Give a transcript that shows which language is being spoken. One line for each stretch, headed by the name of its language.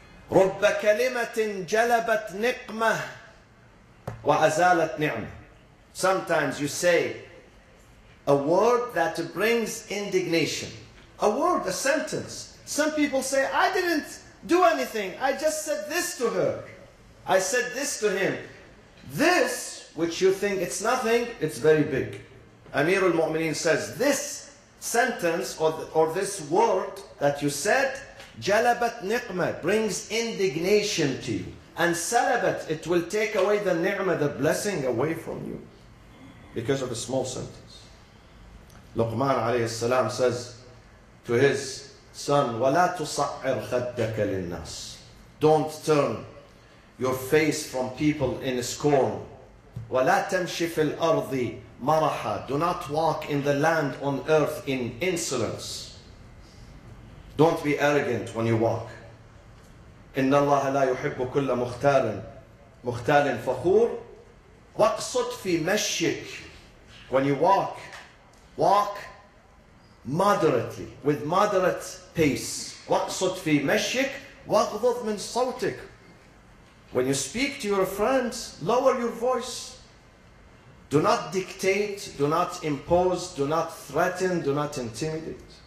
Arabic: رب كلمة جلبت نقمة وأزالت نعمة.
English: Sometimes you say a word that brings indignation. A word, a sentence. Some people say, I didn't do anything. I just said this to her. I said this to him. This, which you think it's nothing, it's very big. Amir al-Mu'mineen says, this sentence or this word that you said,
Arabic: جلبت نقمة,
English: brings indignation to you. And سلبت, it will take away the ni'mah, the blessing away from you. Because of a small sentence. Luqman alayhi salam says to his son,
Arabic: وَلَا تُصَعِّرْ خَدَّكَ لِلنَّاسِ.
English: Don't turn your face from people in scorn.
Arabic: وَلَا تَمْشِ فِي الْأَرْضِ مَرَحَ.
English: Do not walk in the land on earth in insolence. Don't be arrogant when you walk.
Arabic: إِنَّ اللَّهَ لَا يُحِبُّ كُلَّ مُخْتَالٍ مُخْتَالٍ فَخُورٍ. وَقْصُدْ فِي مَشِّكٍ.
English: When you walk, Walk moderately, with moderate pace.
Arabic: وَقْصُدْ فِي مَشْيِكْ وَغْضُضْ مِنْ صَوْتِكْ.
English: When you speak to your friends, lower your voice. Do not dictate, do not impose, do not threaten, do not intimidate.